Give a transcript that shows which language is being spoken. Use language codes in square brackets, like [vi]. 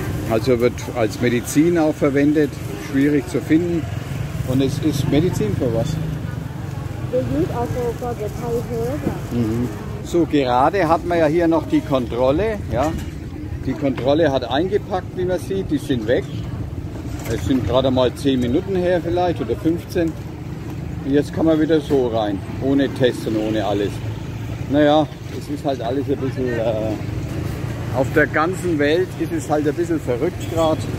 [de] Also wird als Medizin auch verwendet, schwierig zu finden. Und es ist Medizin für was? [en] They use also for the typhoid. Mhm. [de] So, gerade hat man ja hier noch die Kontrolle. Ja? Die Kontrolle hat eingepackt, wie man sieht. Die sind weg. Es sind gerade mal 10 Minuten her vielleicht oder 15. Und jetzt kann man wieder so rein, ohne Test und ohne alles. Naja, es ist halt alles ein bisschen... Auf der ganzen Welt ist es halt ein bisschen verrückt gerade.